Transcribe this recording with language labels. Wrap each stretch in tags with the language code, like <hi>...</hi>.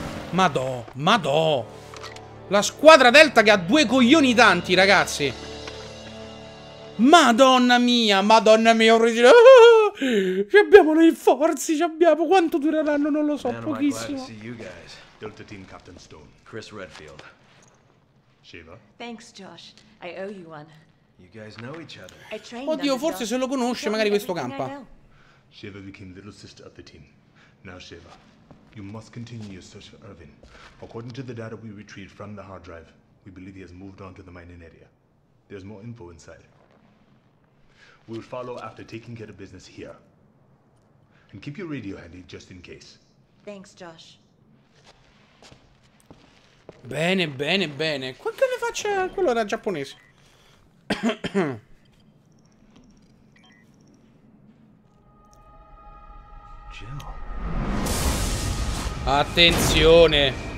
<it>Madò, madò. La squadra Delta che ha due coglioni tanti, ragazzi. Madonna mia, madonna mia. Ci abbiamo le forze, ci abbiamo. Quanto dureranno, non lo so, pochissimo.</it> <en>Delta Team Captain Stone. Chris Redfield. Shiva. Thanks, Josh. I owe you one. You guys know each other.</en> <it>Oddio, forse se lo conosce, magari questo campa.</it> <en>Shiva became little sister of the team. Now, Shiva, you must continue your search for Irvin. According to the data we retrieved from the hard drive, we believe he has moved on to the mining area. There's more info inside. We will follow after taking care of business here. And keep your radio handy just in case. Thanks, Josh.</en> <it>Bene, bene, bene. Quanto ne faccia quello da giapponese? Attenzione.</it>